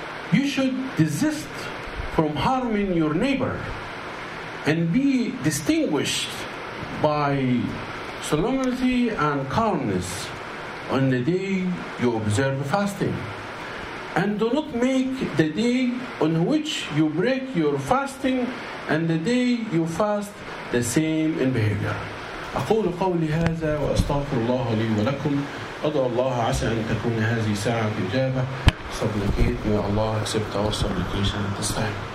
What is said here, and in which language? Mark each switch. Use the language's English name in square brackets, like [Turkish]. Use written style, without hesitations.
[English] You should desist from harming your neighbor and be distinguished by solemnity and calmness on the day you observe fasting. And do not make the day on which you break your fasting and the day you fast the same in behavior. [Arabic] أقول قولي هذا وأستغفر الله لي ولكم. أدعو الله عسى أن تكون هذه ساعة إجابة. [English] Supplicate, may Allah accept our supplication at this time.